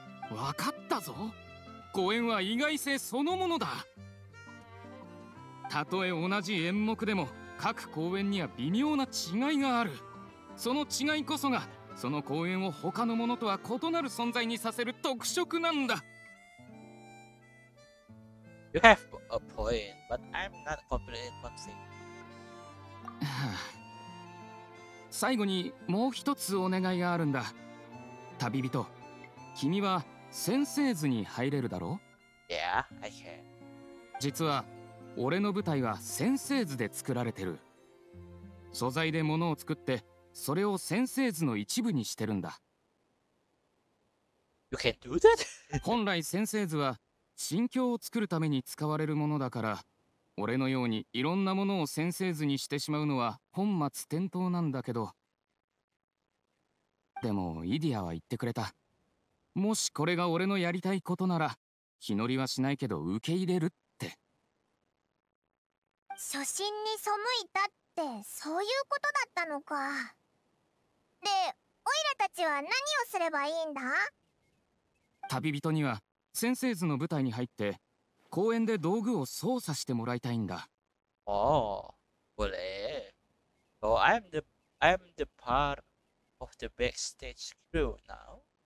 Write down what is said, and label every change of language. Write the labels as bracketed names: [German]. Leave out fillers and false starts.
[Japanese] わかったぞ、公演は意外性そのものだ。たとえ同じ演目でも各公演には微妙な違いがある。その違いこそがその公演を他のものとは異なる存在にさせる特色なんだ。 [English] You have a point, but I'm not completely convinced. [Japanese] 最後にもう一つお願いがあるんだ。旅人、君は先生図に入れるだろう？ [English] Yeah, I can. [Japanese] 実は俺の舞台は先生図で作られてる。素材で物を作ってそれを先生図の一部にしてるんだ。 [English] You can do that? [Japanese] 本来先生図は心境を作るために使われるものだから、俺のようにいろんなものを先生図にしてしまうのは本末転倒なんだけど、でもイディアは言ってくれた。もしこれが俺のやりたいことなら気乗りはしないけど受け入れるって。初心に背いたってそういうことだったのか。でオイラたちは何をすればいいんだ？旅人には先生図の舞台に入って公園で道具を操作してもらいたいんだ。おお、これ。 [English] So I'm the part of the backstage crew now.